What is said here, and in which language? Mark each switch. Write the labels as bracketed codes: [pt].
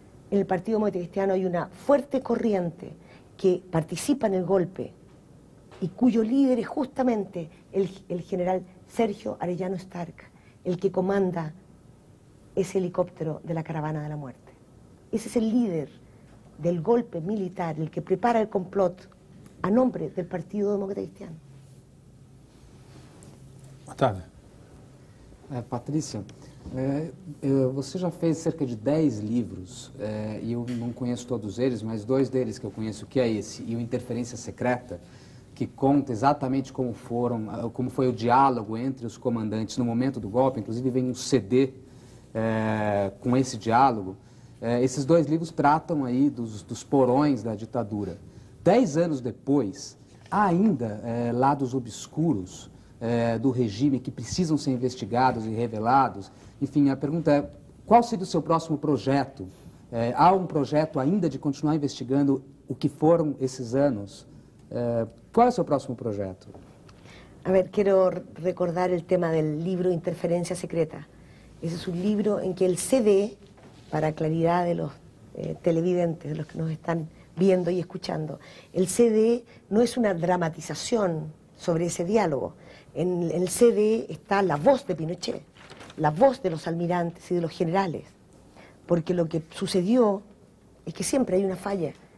[es] En el Partido Demócrata Cristiano hay una fuerte corriente que participa en el golpe y cuyo líder es justamente el general Sergio Arellano Stark, el que comanda ese helicóptero de la caravana de la muerte. Ese es el líder del golpe militar, el que prepara el complot a nombre del Partido Demócrata Cristiano. [pt] Boa tarde. Patrícia, você já fez cerca de 10 livros, e eu não conheço todos eles, mas dois deles que eu conheço, que é esse, e o Interferência Secreta, que conta exatamente como foram, como foi o diálogo entre os comandantes no momento do golpe, inclusive vem um CD com esse diálogo. Esses dois livros tratam aí dos porões da ditadura. 10 anos depois, há ainda lados obscuros do regime que precisam ser investigados e revelados. Enfim, a pergunta é, qual seria o seu próximo projeto? Há um projeto ainda de continuar investigando o que foram esses anos? Qual é o seu próximo projeto? A ver, quero recordar o tema do livro Interferência Secreta. Esse é um livro em que o CD, [es] para claridad de los televidentes, de los que nos están viendo y escuchando, el CD no es una dramatización sobre ese diálogo. En el CD está la voz de Pinochet, la voz de los almirantes y de los generales, porque lo que sucedió es que siempre hay una falla.